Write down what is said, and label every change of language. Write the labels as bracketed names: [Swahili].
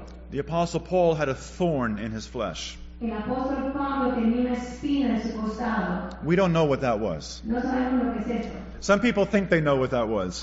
[English] The Apostle Paul had a thorn in his flesh. [Spanish] El apóstol Pablo tenía una espina en su costado. [English] We don't know what that was. [Spanish] No sabemos lo que es eso. [English] Some people think they know what that was.